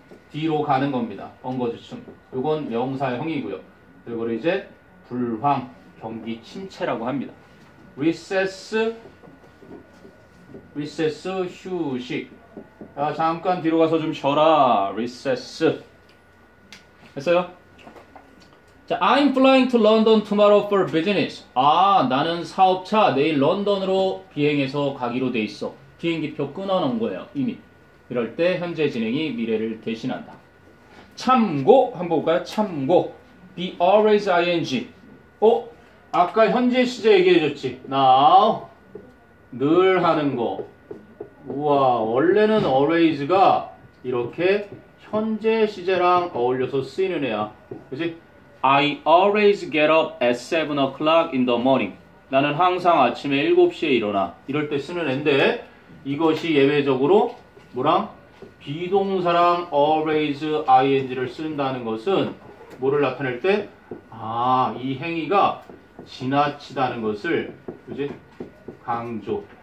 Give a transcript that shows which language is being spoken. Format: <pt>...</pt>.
<ko>뒤로 가는 겁니다. 엉거주춤. 이건 명사형이고요. 그리고 이제 불황, 경기 침체라고 합니다. Recess, recess, 휴식. 야, 잠깐 뒤로 가서 좀 쉬어라. Recess. 했어요?</ko> <en>자, I'm flying to London tomorrow for business.</en> <ko>아, 나는 사업차 내일 런던으로 비행해서 가기로 돼 있어. 비행기표 끊어놓은 거예요, 이미. 이럴 때 현재 진행이 미래를 대신한다. 참고, 한번 볼까요? 참고. Be always ing. 어? 아까 현재 시제 얘기해줬지. Now. 늘 하는 거. 우와. 원래는 always가 이렇게 현재 시제랑 어울려서 쓰이는 애야. 그치?</ko> <en>I always get up at 7 o'clock in the morning.</en> <ko>나는 항상 아침에 7시에 일어나. 이럴 때 쓰는 애인데 이것이 예외적으로 뭐랑? 비동사랑 always ing를 쓴다는 것은 뭐를 나타낼 때? 아, 이 행위가 지나치다는 것을 그지? 강조.</ko>